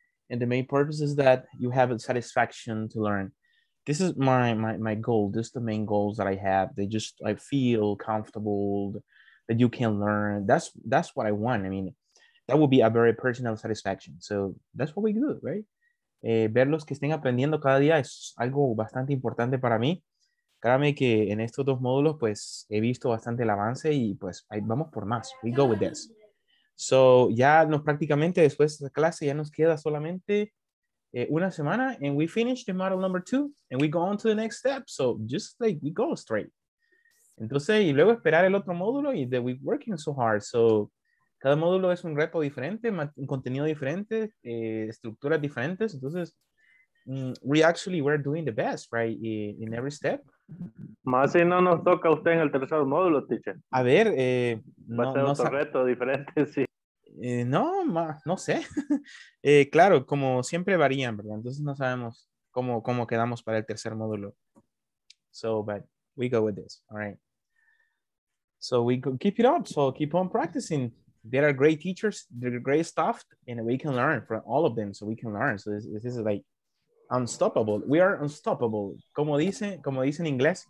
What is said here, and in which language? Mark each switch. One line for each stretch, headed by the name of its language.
English: And the main purpose is that you have a satisfaction to learn. This is my goal. This is the main goals that I have. They just, I feel comfortable that you can learn. That's what I want. I mean, that would be a very personal satisfaction. So that's what we do, right?
Spanish: Ver los que estén aprendiendo cada día es algo bastante importante para mí. Créame que en estos dos módulos, pues, he visto bastante el avance y, pues, ahí vamos por más.
English: We go with this. So
Spanish: ya nos prácticamente después de esta clase ya nos queda solamente una semana
English: and we finish the model number 2 and we go on to the next step. So just like we go straight.
Spanish: Entonces, y luego esperar el otro módulo y
English: that we're working so hard.
Spanish: So cada módulo es un reto diferente, un contenido diferente, estructuras diferentes.
English: Entonces, we're doing the best, right, in every step.
Spanish: Más si no nos toca a usted en el tercer módulo, teacher. A ver, Va a ser otro reto diferente, sí. No sé. claro, como siempre varían, ¿verdad? Entonces no sabemos cómo quedamos para el tercer módulo.
English: So, but we go with this, all right. So we keep it up, so keep on practicing. There are great teachers, they're great stuff, and we can learn from all of them, so we can learn. So this is like unstoppable. We are unstoppable.
Spanish: Como dice en inglés.